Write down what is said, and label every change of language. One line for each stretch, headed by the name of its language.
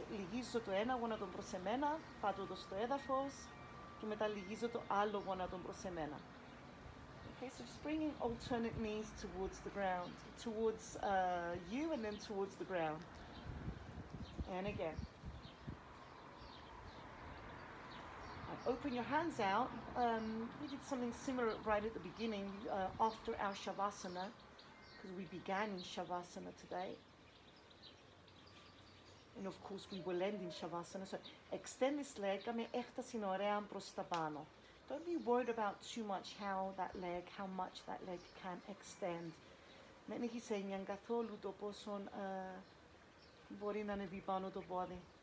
Greek: Λυγίζω το ένα γόνατο προς εμένα, πάτω το στο έδαφος και μετά λυγίζω το άλλο γόνατο προς εμένα.
English: Okay, so just bringing alternate knees towards the ground, towards you and then towards the ground. And again. And open your hands out. We did something similar right at the beginning, after our Shavasana, because we began in Shavasana today. And of course, we will end in Shavasana. So extend this leg,
Greek: kame ektasi norea προς τα πάνω.
English: Don't be worried about too much how much that leg can extend.
Greek: Μην έχεις έννοιαν καθόλου το πόσο μπορεί να ανεβεί πάνω το πόδι.